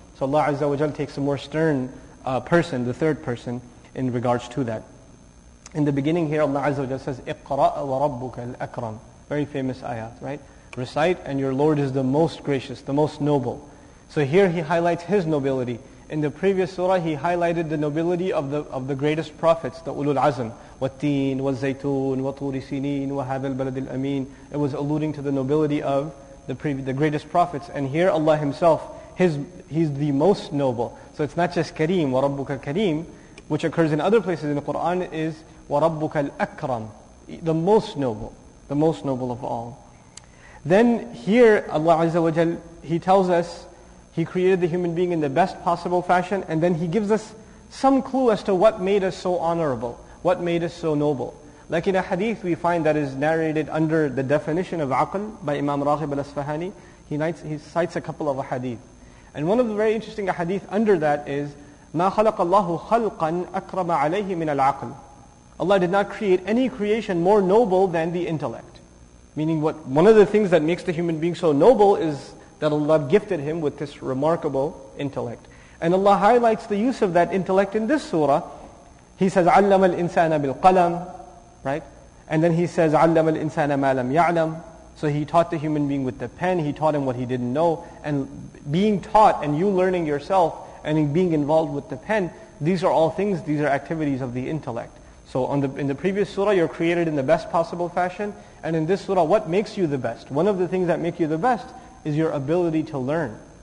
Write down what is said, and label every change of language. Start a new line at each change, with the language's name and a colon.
English: So Allah Azza wa Jal takes a more stern person, the third person, in regards to that. In the beginning here, Allah Azza wa Jal says,
Arabic: اقرأ وربك الأكرم.
English: Very famous ayat, right? Recite, and your Lord is the most gracious, the most noble. So here He highlights His nobility. In the previous surah, He highlighted the nobility of the greatest prophets, the Ulul Azm.
Arabic: والتين والزيتون وطور سينين وهذا البلد الأمين.
English: It was alluding to the nobility of the greatest prophets. And here Allah Himself, He's the most noble. So it's not just Kareem, وَرَبُّكَ Kareem, which occurs in other places in the Qur'an, is
Arabic: وَرَبُّكَ الْأَكْرَمُ,
English: the most noble, the most noble of all. Then here Allah Azza wa Jal, He tells us, He created the human being in the best possible fashion, and then He gives us some clue as to what made us so honorable, what made us so noble. Like in a hadith we find that is narrated under the definition of aql by Imam Raghib al-Asfahani, he cites a couple of a hadith. And one of the very interesting hadith under that is,
Arabic: مَا خَلَقَ اللَّهُ خَلْقًا أَكْرَمَ عَلَيْهِ مِنَ الْعَقْلِ.
English: Allah did not create any creation more noble than the intellect. Meaning what? One of the things that makes the human being so noble is that Allah gifted him with this remarkable intellect. And Allah highlights the use of that intellect in this surah. He says,
Arabic: عَلَّمَ الْإِنسَانَ بِالْقَلَمِ.
English: Right? And then He says,
Arabic: عَلَّمَ الْإِنسَانَ مَا لَمْ يَعْلَمُ.
English: So He taught the human being with the pen, He taught him what he didn't know. And being taught and you learning yourself and being involved with the pen, these are all things, these are activities of the intellect. So in the previous surah, you're created in the best possible fashion. And in this surah, what makes you the best? One of the things that make you the best is your ability to learn.